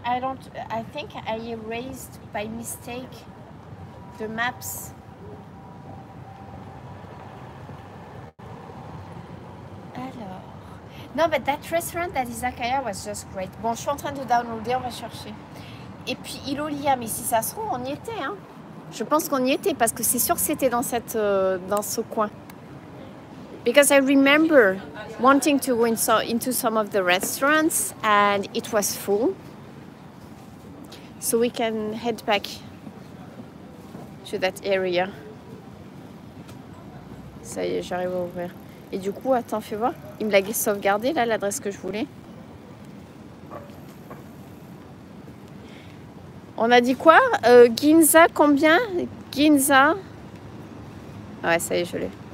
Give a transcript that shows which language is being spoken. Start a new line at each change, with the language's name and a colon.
English: I think I erased by mistake the maps. Non, but that restaurant, that izakaya, was just great.
French: Bon, je suis en train de downloader, on va chercher. Et puis, Ilolia, mais si ça se trouve, on y était, hein? Je pense qu'on y était parce que c'est sûr que c'était dans cette dans ce coin.
English: Because I remember wanting to go into some of the restaurants and it was full. So we can head back to that area.
French: Ça y est, j'arrive à ouvrir. Et du coup, attends, fais voir. Il me l'a sauvegardé là, l'adresse que je voulais. On a dit quoi? Ginza, combien? Ginza? Ouais, ça y est, je l'ai.